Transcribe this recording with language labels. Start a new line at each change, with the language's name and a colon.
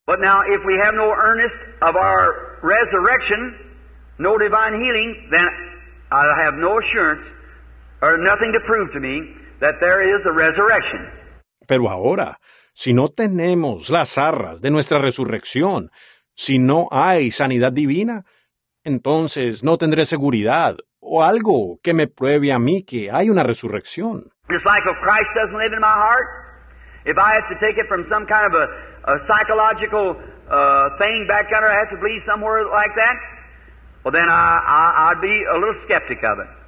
English: But now, if we have no earnest of our resurrection, no divine healing, then I have no assurance or nothing to prove to me that there is a resurrection.
Spanish: Pero ahora, si no tenemos las arras de nuestra resurrección, si no hay sanidad divina, entonces no tendré seguridad o algo que me pruebe a mí que hay una resurrección.
English: Just like if Christ doesn't live in my heart, if I have to take it from some kind of a psychological thing back under, I have to believe somewhere like that. well, then I'd be a little skeptic of it.